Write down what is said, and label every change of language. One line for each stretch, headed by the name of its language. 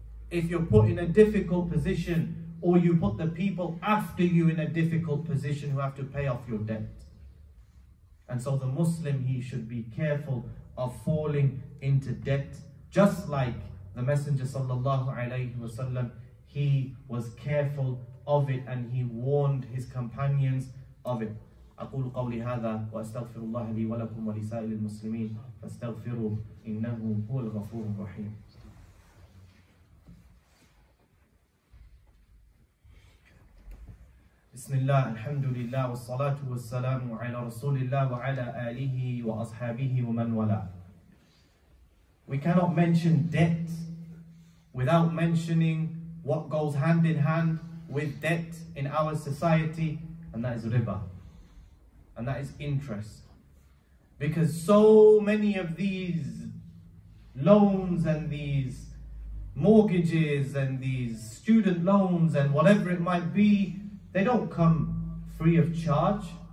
English: If you're put in a difficult position, or you put the people after you in a difficult position who have to pay off your debt. And so the Muslim, he should be careful of falling into debt, just like the Messenger sallallahu alayhi wasallam, he was careful of it and he warned his companions of it.
Arabic: أقول قولي هذا وأستغفر الله لي ولكم ولسائر المسلمين فاستغفروا إنه هو الغفور الرحيم. بسم الله الحمد لله والصلاة والسلام على رسول الله وعلى آله وأصحابه ومن والاه.
English: We cannot mention debt without mentioning what goes hand in hand with debt in our society, and that is riba. And that is interest. Because so many of these loans and these mortgages and these student loans and whatever it might be, they don't come free of charge.